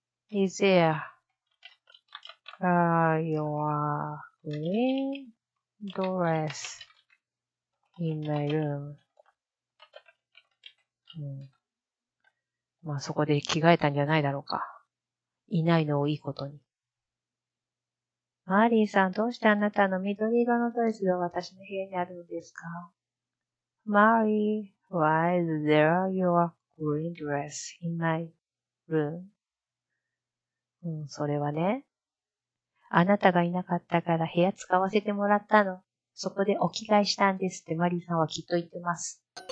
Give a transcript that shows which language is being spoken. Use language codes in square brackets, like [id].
[en] Is there your green dress in my room? [ja] うん、まあそこで着替えたんじゃないだろうか。いないのをいいことに。マーリーさん、どうしてあなたの緑色のドレスが私の部屋にあるのですか？ [en] マーリー、why is there your green dress in my room? [ja] うん、それはね。あなたがいなかったから部屋使わせてもらったの。そこでお着替えしたんですってマーリーさんはきっと言ってます。